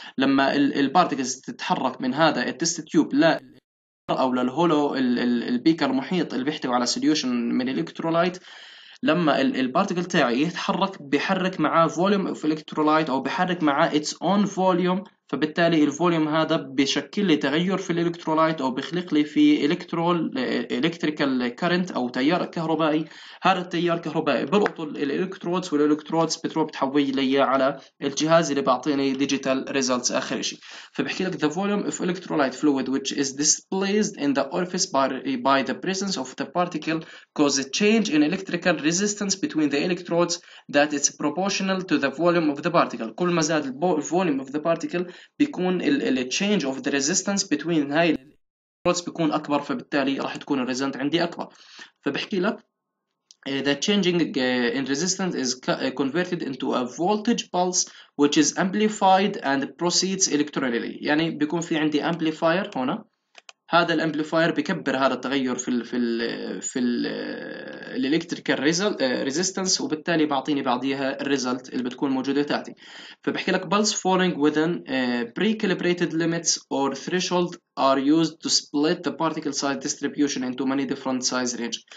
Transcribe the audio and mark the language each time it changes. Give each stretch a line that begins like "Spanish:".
Arabic: لما البارتكلز تتحرك من هذا التست تيوب او للهولو البيكر المحيط اللي بيحتوي على سوليوشن من الالكترولايت، لما البارتيكل تاعي يتحرك بحرك معاه فوليوم اوف الكترولايت او بحرك معاه اتس اون فوليوم، فبالتالي الفوليوم هذا بشكل لي تغير في الالكترولايت او بخلق لي في الكتريكال كارنت او تيار كهربائي. هذا التيار الكهربائي بربط الالكترودز، والالكترودز بتروح بتحول لي على الجهاز اللي بيعطيني ديجيتال ريزلتس اخر شيء. فبحكي لك
English: the volume of electrolyte fluid which is displaced in the orifice by the presence of the particle causes change in electrical resistance between the electrodes that is proportional to the volume of the particle.
Arabic: كل ما زاد الفوليوم اوف ذا بارتيكل بيكون ال
English: change of the resistance between
Arabic: هاي الالكترودز بيكون اكبر، فبالتالي راح تكون الريزلت عندي اكبر. فبحكي لك
English: the changing in resistance is converted into a voltage pulse which is amplified and proceeds electrically.
Arabic: يعني بيكون في عندي amplifier هنا، هذا الامبليفاير بكبر هذا التغير في الالكتريكال ريزيستنس، وبالتالي بعطيني بعديها الريزلت اللي بتكون موجوده تاعتي. فبحكي لك
English: Plus following within pre calibrated limits or threshold are used to split the particle size distribution into many different size range.